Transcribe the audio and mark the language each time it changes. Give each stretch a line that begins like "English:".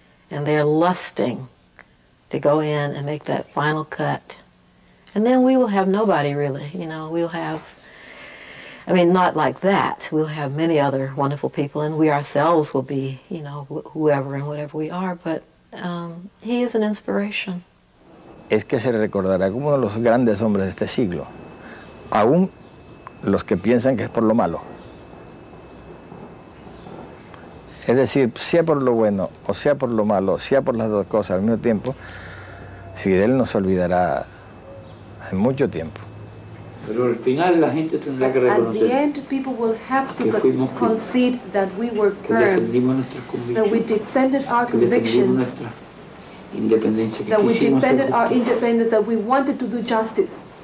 English: And they're lusting to go in and make that final cut. And then we will have nobody, really. You know, we'll have, I mean, not like that. We'll have many other wonderful people, and we ourselves will be, you know, whoever and whatever we are. But he is an inspiration.
Spanish: Es que se recordará como uno de los grandes hombres de este siglo. Aún los que piensan que es por lo malo. Es decir, sea por lo bueno o sea por lo malo, sea por las dos cosas al mismo tiempo, Fidel no se olvidará en mucho tiempo. Pero al final la gente tendrá que reconocer.
English: At the end, people will have to concede that we were firm, that we defended our convictions, that we defended our independence, that we wanted to do justice.